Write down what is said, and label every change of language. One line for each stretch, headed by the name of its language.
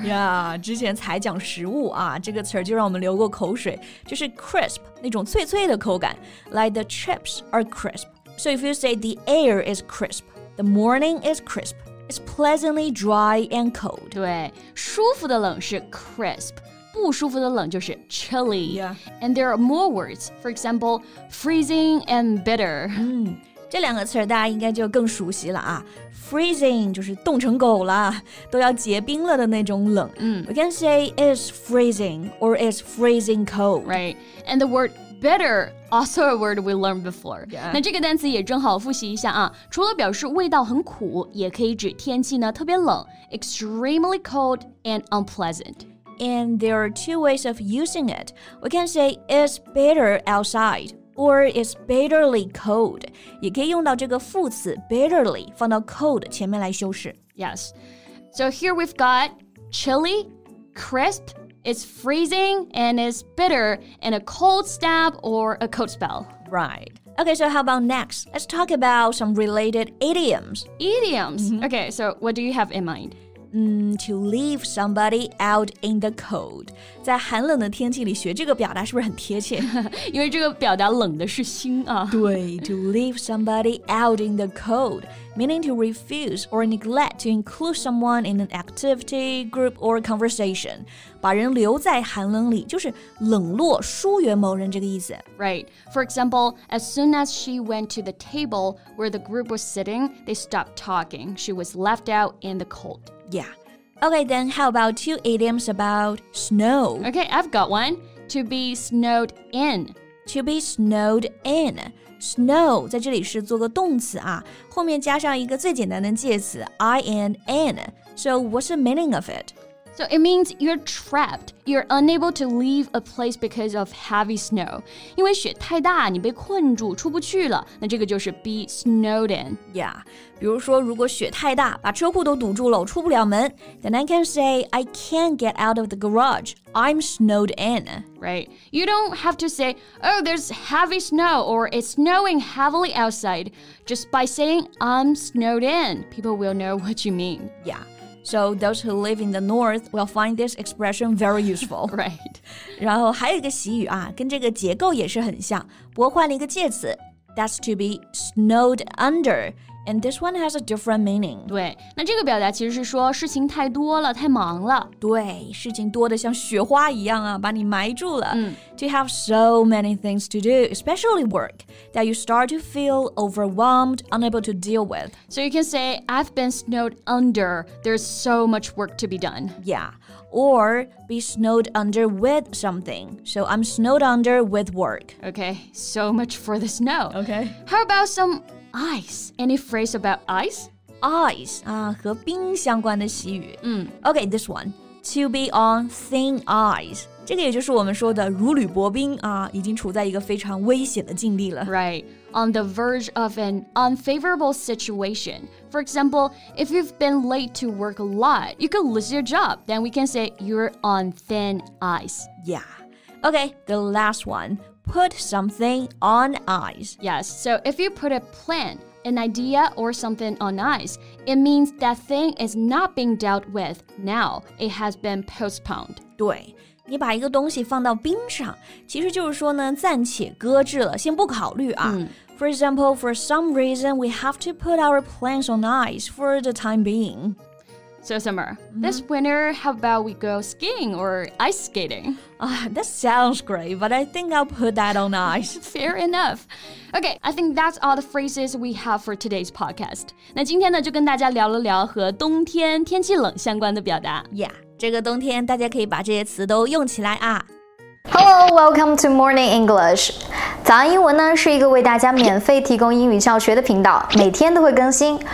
English: Yeah
Chinese: 之前才讲食物啊这个词就让我们流过口水就是
English: crisp
Chinese: 那种脆脆的口感
English: Like the chips are crispSo if you say the air is crisp, the morning is crisp, it's pleasantly dry and cold.
Chinese: 对,舒服的冷是 crisp, 不舒服的冷就是 chilly.
English: Yeah. And there are more words, for example, freezing and bitter.
Chinese: 嗯,这两个词大家应该就更熟悉了啊。 Freezing 就是冻成狗了,都要结冰了的那种冷。嗯。
English: We can say it's freezing or it's freezing cold. Right. And the word bitter, also a word we learned before. Yeah.
Chinese: 那这个单词也正好复习一下啊。除了表示味道很苦，也可以指天气呢特别冷
English: extremely cold and unpleasant. And there are two ways of using it. We can say it's bitter outside. Or it's bitterly cold.
Chinese: 也可以用到这个副词 bitterly 放到 cold 前面来修饰。
English: Yes. So here we've got chilly, crisp, it's freezing, and it's bitter, and a cold snap or a cold spell. Right. Okay, so how about next? Let's talk about some related idioms. Idioms?、Mm-hmm. Okay, so what do you have in mind? To leave somebody out in the cold.
Chinese: 在寒冷的天气里学这个表达是不是很贴切因为这个表达冷的是心啊。
English: 对 to leave somebody out in the cold, meaning to refuse or neglect to include someone in an activity, group, or conversation.
Chinese: 把人留在寒冷里就是冷落疏远某人这个意思。
English: Right. For example, as soon as she went to the table where the group was sitting, they stopped talking. She was left out in the cold. Yeah. Okay, then how about two idioms about snow? Okay, I've got one. To be snowed in. To be snowed in.
Chinese: Snow 在这里是做个动词啊，后面加上一个最简单的介词 in.
English: So what's the meaning of it? So it means you're trapped. You're unable to leave a place because of heavy snow.
Chinese: 因为雪太大，你被困住，出不去了。那这个就是 be snowed in.
English: Yeah.
Chinese: 比如说，如果雪太大，把车库都堵住了，我出不了门。
English: Then I can say, I can't get out of the garage. I'm snowed in. Right. You don't have to say, oh, there's heavy snow, or it's snowing heavily outside. Just by saying, I'm snowed in, people will know what you mean. Yeah. So those who live in the north will find this expression very useful. Right.
Chinese: 然后还有一个习语啊，跟这个结构也是很像，不过换了一个介词。
English: That's to be snowed under. And this one has a different meaning.
Chinese: 对，那这个表达其实是说事情太多了，太忙了。对，事情多得像雪花一样啊，把你埋住了。嗯。
English: To have so many things to do, especially work, that you start to feel overwhelmed, unable to deal with. So you can say, I've been snowed under. There's so much work to be done. Yeah. Or be snowed under with something. So I'm snowed under with work. Okay, so much for the snow. Okay. How about some ice? Any phrase about ice?
Chinese: Ice, 啊，和冰相关的习语。嗯。
English: Okay, this one. To be on thin ice.
Chinese: 这个也就是我们说的如履薄冰啊，已经处在一个非常危险的境地了。
English: Right, on the verge of an unfavorable situation. For example, if you've been late to work a lot, you could lose your job. Then we can say you're on thin ice. Yeah. Okay, the last one. Put something on ice. Yes, so if you put a plan, an idea or something on ice, it means that thing is not being dealt with now. It has been postponed.
Chinese: 对。你把一个东西放到冰上，其实就是说呢，暂且搁置了，先不考虑啊。
English: Mm. For example, for some reason, we have to put our plans on ice for the time being. So, Summer, mm-hmm. this winter, how about we go skiing or ice skating? That sounds great, but I think I'll put that on ice. Fair enough. Okay, I think that's all the phrases we have for today's podcast.
Chinese: 那今天呢，就跟大家聊了聊和冬天天气冷相关的表达。
English: Yeah.
Chinese: 这个冬天大家可以把这些词都用起来啊。
English: Hello, welcome to Morning English.
Chinese: 早安英文呢是一个为大家免费提供英语教学的频道，每天都会更新。